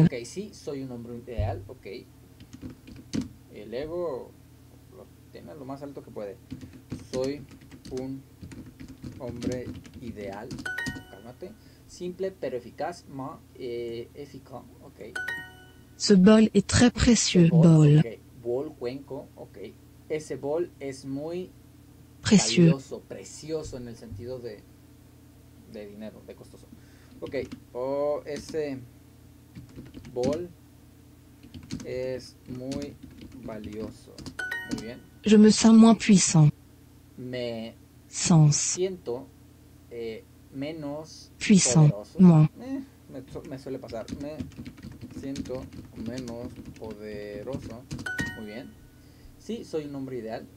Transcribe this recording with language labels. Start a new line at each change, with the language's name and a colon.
Spanish: Ok, sí, soy un hombre ideal, ok. El ego lo tiene lo más alto que puede. Soy un hombre ideal. Cálmate. Simple, pero eficaz, más eficaz, ok.
French: Ce bol est très précieux, bol.
Spanish: Ok, bol, cuenco, ok. Ese bol es muy precioso, valioso, precioso en el sentido de dinero, de costoso. Ok, ese bol es muy valioso. Muy bien.
French: Je me sens moins puissant. Me sens.
Spanish: Siento menos
French: puissant.
Spanish: Poderoso. Moins. Me suele pasar. Me siento menos poderoso. Muy bien. Sí, soy un hombre ideal.